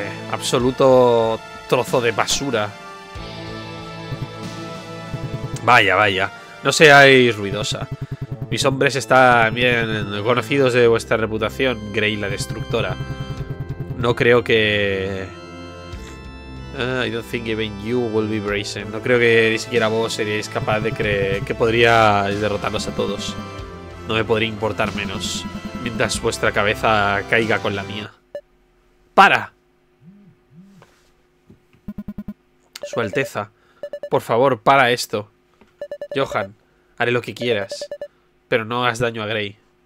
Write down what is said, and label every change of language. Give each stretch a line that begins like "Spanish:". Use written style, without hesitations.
Spanish: Absoluto trozo de basura. Vaya, vaya. No seáis ruidosa. Mis hombres están bien conocidos de vuestra reputación, Grey la Destructora. No creo que...
English: I don't think even you will be brazen.
Spanish: No creo que ni siquiera vos seríais capaz de creer que podría derrotarlos a todos. No me podría importar menos mientras vuestra cabeza caiga con la mía. ¡Para! Su Alteza, por favor, para esto. Johan, haré lo que quieras, pero no hagas daño a Grey.